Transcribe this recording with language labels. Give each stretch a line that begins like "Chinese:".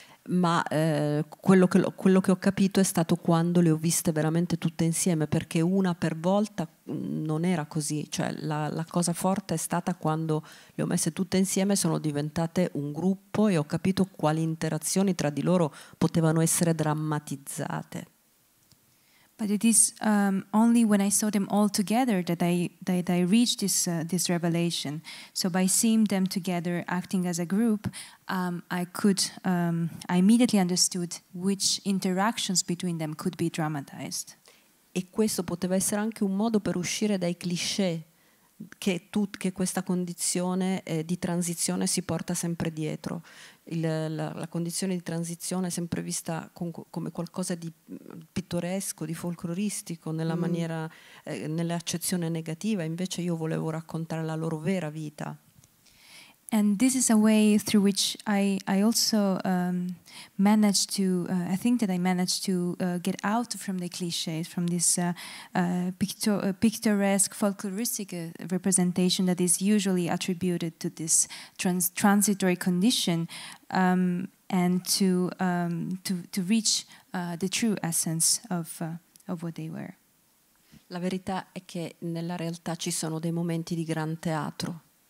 Italian: ma quello che ho capito è stato quando le ho viste veramente tutte insieme, perché una per volta non era così, cioè la cosa forte è stata quando le ho messe tutte insieme, sono diventate un gruppo e ho capito quali interazioni tra di loro potevano essere drammatizzate.
English: But it is only when I saw them all together that I reached this revelation. So by seeing them together acting as a group, I immediately understood which interactions between them could be dramatized.
Italian: E questo poteva essere anche un modo per uscire dai cliché che questa condizione di transizione si porta sempre dietro. La condizione di transizione è sempre vista come qualcosa di pittoresco, di folcloristico, nella maniera, nell'accezione negativa. Invece io volevo raccontare la loro vera vita.
English: And this is a way through which I also managed to, I think that I managed to get out from the cliches, from this picturesque, folkloristic representation that is usually attributed to this transitory condition, and to reach the true essence of what they were.
Italian: La verità è che nella realtà ci sono dei momenti di gran teatro.